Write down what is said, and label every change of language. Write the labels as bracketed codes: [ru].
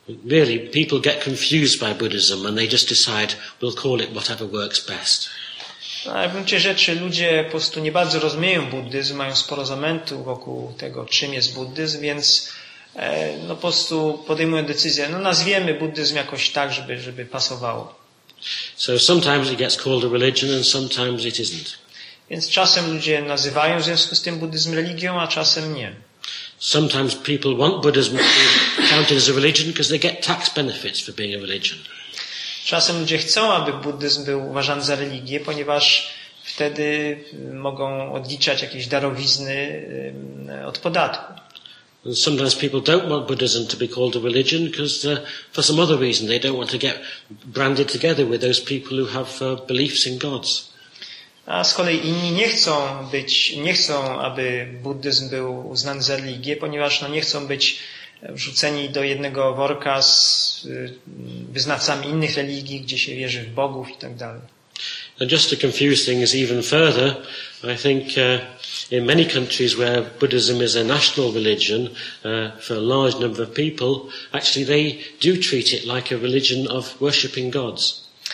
[en] Really, people get confused by Buddhism and they just decide we'll call it whatever works best. [pl] No, w gruncie rzeczy ludzie po prostu nie bardzo rozumieją buddyzm, mają sporo zamętu wokół tego, czym jest buddyzm, więc no po prostu podejmują decyzję, no nazwiemy buddyzm jakoś tak, żeby pasowało. [en] So sometimes it gets called a religion and sometimes it isn't. [pl] Więc czasem ludzie nazywają w związku z tym buddyzm religią, a czasem nie. [en] Sometimes people want Buddhism to be counted as a religion because they get tax benefits for being a religion. [pl] Czasem ludzie chcą, aby buddyzm był uważany za religię, ponieważ wtedy mogą odliczać jakieś darowizny od podatku. [en] And sometimes people don't want Buddhism to be called a religion because for some other reason they don't want to get branded together with those people who have beliefs in gods. [pl] A z kolei inni nie chcą, aby buddyzm był uznany za religię, ponieważ no, nie chcą być wrzuceni do jednego worka z wyznawcami innych religii, gdzie się wierzy w bogów i tak dalej. [en] And just to confuse things even further, I think in many countries where Buddhism is a national religion for a large number of people, actually they do treat it like a religion of worshipping gods.